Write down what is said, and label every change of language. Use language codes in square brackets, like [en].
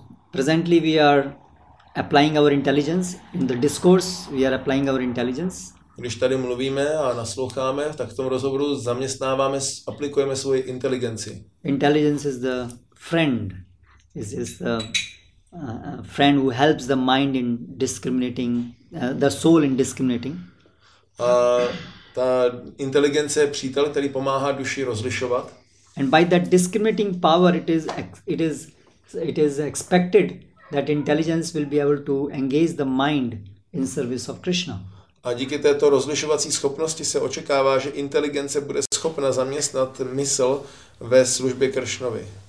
[en] Presently we are applying our intelligence in the discourse, we are applying our intelligence. [cs] Když tady mluvíme a nasloucháme, tak v tom rozhovoru zaměstnáváme, aplikujeme svoji inteligenci. [en] Intelligence is the friend, is the friend who helps the mind in discriminating, the soul in discriminating. [cs] A ta inteligence je přítel, který pomáhá duši rozlišovat. [en] And by that discriminating power it is expected that intelligence will be able to engage the mind in service of Krishna. [cs] A díky této rozlišovací schopnosti se očekává, že inteligence bude schopna zaměstnat mysl ve službě Kršnovi.